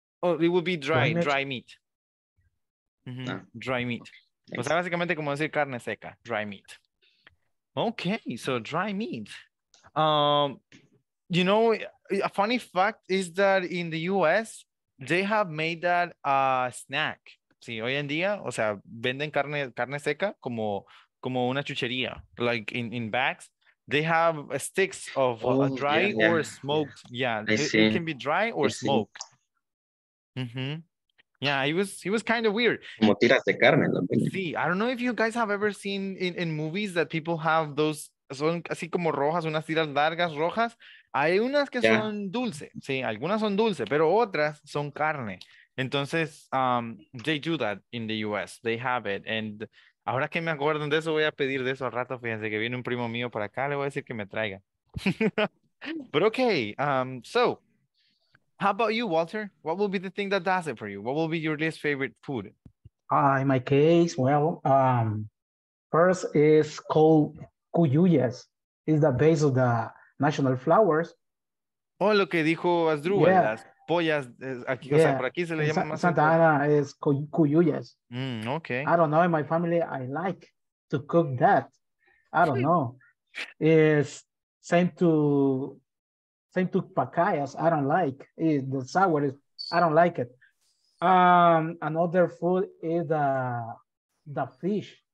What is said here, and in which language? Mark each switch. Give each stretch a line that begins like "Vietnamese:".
English: Oh, it would be dry meat. Mm-hmm. No. Dry meat.
Spanish: Okay. O sea, básicamente como decir carne seca, dry meat.
English: Okay, so dry meat. You know, a funny fact is that in the U.S., they have made that a snack.
Spanish: Sí, hoy en día, o sea, venden carne seca como una chuchería,
English: like in bags. They have sticks of dry or smoked. Yeah, it can be dry or smoked. Mm-hmm. Yeah, it was kind of weird.
Spanish: Como tiras de carne, ¿no?
English: Sí, I don't know if you guys have ever seen in movies that people have those,
Spanish: son así como rojas, unas tiras largas rojas. Hay unas que son dulce, sí, algunas son dulce, pero otras son carne. Entonces,
English: they do that in the U.S., they have it.
Spanish: And ahora que me acuerdo de eso, voy a pedir de eso al rato, fíjense que viene un primo mío para acá, le voy a decir que me traiga.
English: But okay, so, how about you, Walter? What will be the thing that does it for you? What will be your least favorite food? In my case, well, first is called cuyuyas. It's the base of the national flowers.
Spanish: Oh, lo que dijo Asdrúbal, las pollas, aquí, o sea, por aquí se le llama más. Santa Ana es cuyuyas. Mm, okay.
English: I don't know, in my family, I like to cook that. I don't know. It's same to pacayas, I don't like. The sour is, I don't like it. Another food is the fish.